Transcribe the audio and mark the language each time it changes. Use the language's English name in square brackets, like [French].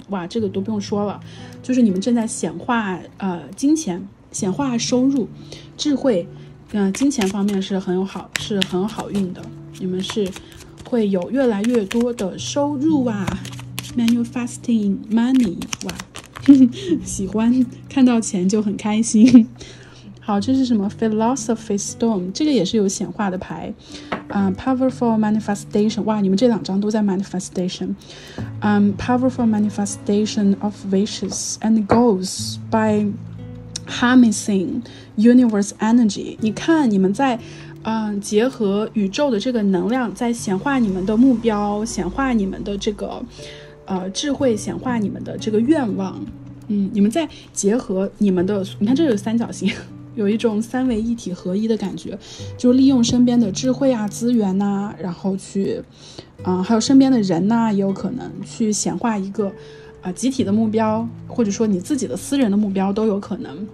[Chinese] 哇，这个都不用说了，就是你们正在显化金钱，显化收入、智慧，金钱方面是很有好，是很好运的，你们是会有越来越多的收入啊。 [English] Manifesting money。 [Chinese] 哇，喜欢看到钱就很开心。好，这是什么？Philosophy Stone。这个也是有显化的牌 [English] powerful manifestation。 [Chinese] 哇，你们这两张都在 manifestation。 [English] Powerful manifestation of wishes and goals by harnessing universe energy。 [Chinese] 你看你们在结合宇宙的这个能量，在显化你们的目标，显化你们的这个智慧，显化你们的这个愿望。你们在结合你们的，你看这有三角形，有一种三维一体合一的感觉，就利用身边的智慧啊、资源啊，然后去还有身边的人也有可能去显化一个集体的目标，或者说你自己的私人的目标都有可能。